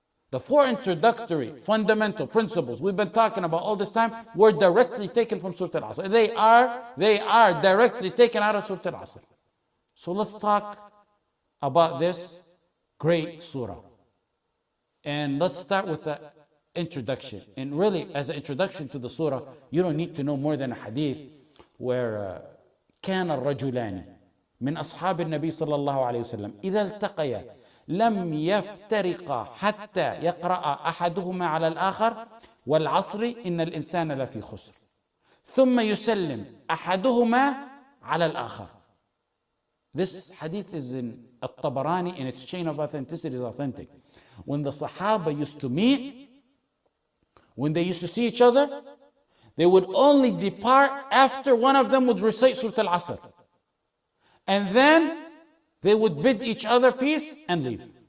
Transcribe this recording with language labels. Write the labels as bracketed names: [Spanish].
[English] The four introductory fundamental principles we've been talking about all this time were directly taken from Surah Al-Asr. They are directly taken out of Surah Al-Asr. So let's talk about this great surah. And let's start with the introduction. And really, as an introduction to the surah, you don't need to know more than a hadith where [Arabic] كان الرجلان من أصحاب النبي صلى الله عليه وسلم إذا التقيا لم يفترق حتى يقرأ أحدهما على الآخر والعصر إن الإنسان لفي خسر ثم يسلم أحدهما على الآخر. [English] This hadith is in الطبراني and its chain of authenticity is authentic. When the Sahaba used to meet, when they used to see each other, they would only depart after one of them would recite Surah Al-Asr. And then they would bid each other peace and leave.